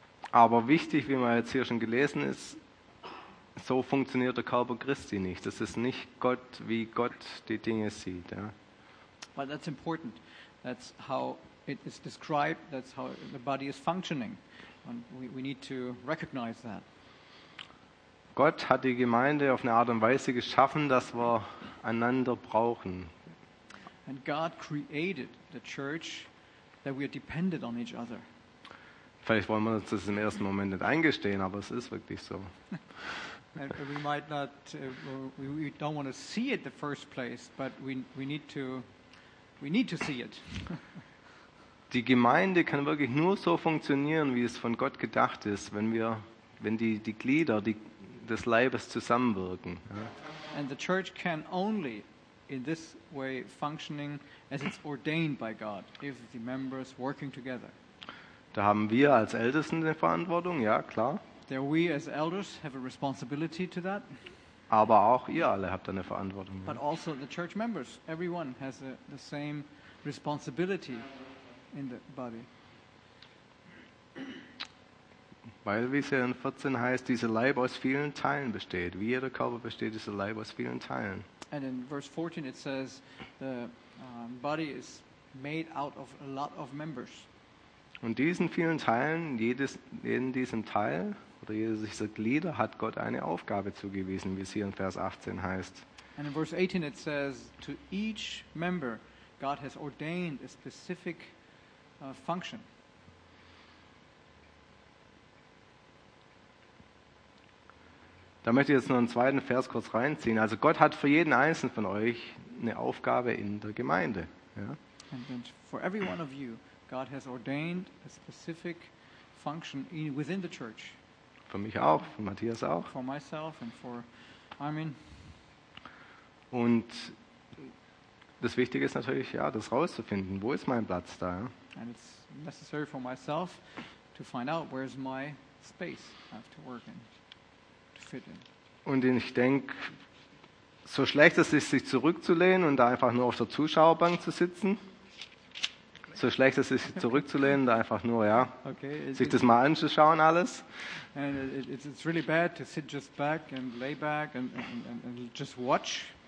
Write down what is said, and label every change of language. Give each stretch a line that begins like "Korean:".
German: Aber wichtig, wie man jetzt hier schon gelesen ist, so funktioniert der Körper Christi nicht. Das ist nicht Gott, wie Gott die Dinge sieht, ja.
English: But that's important. That's how it is described, that's how the body is functioning. And we need to recognize that.
German: Gott hat die Gemeinde auf eine Art und Weise geschaffen, dass wir einander brauchen.
English: And God created the church that we are dependent on each other.
German: Vielleicht wollen wir uns das im ersten Moment nicht eingestehen, aber es ist wirklich so.
English: And we might not, we don't want to see it the first place, but we need to see it.
German: Die Gemeinde kann wirklich nur so funktionieren, wie es von Gott gedacht ist, wenn die Glieder des Leibes zusammenwirken.
English: And the church can only in this way functioning as it's ordained by God, if the members working together.
German: Da haben wir als Ältesten eine Verantwortung, ja, klar.
English: There we as elders have a responsibility to that.
German: Aber auch ihr alle habt eine Verantwortung.
English: But also the church members, everyone has the same responsibility in the body.
German: Weil wie es ja in 14 heißt, dieser Leib aus vielen Teilen besteht. Wie jeder Körper besteht dieser Leib aus vielen Teilen.
English: And in verse 14 it says the body is made out of a lot of members.
German: Und diesen vielen Teilen, jeden diesem Teil oder jedes dieser Glieder hat Gott eine Aufgabe zugewiesen, wie es hier in Vers 18 heißt.
English: And in verse 18 it says to each member God has ordained a specific function.
German: Da möchte ich jetzt noch einen zweiten Vers kurz reinziehen. Also Gott hat für jeden einzelnen von euch eine Aufgabe in der Gemeinde. Ja?
English: And for every one of you, God has ordained a specific function within the church.
German: Für mich auch, für Matthias auch.
English: For myself and for Armin.
German: Und das Wichtige ist natürlich, ja, das rauszufinden. Wo ist mein Platz da? Ja?
English: And it's necessary for myself to find out where is my space I have to work in.
German: Und ich denke, so schlecht es ist, sich zurückzulehnen und da einfach nur auf der Zuschauerbank zu sitzen, so schlecht es ist, sich zurückzulehnen und da einfach nur, ja, okay, sich das mal anzuschauen alles.
English: And it's really bad to sit just back and lay back and just watch.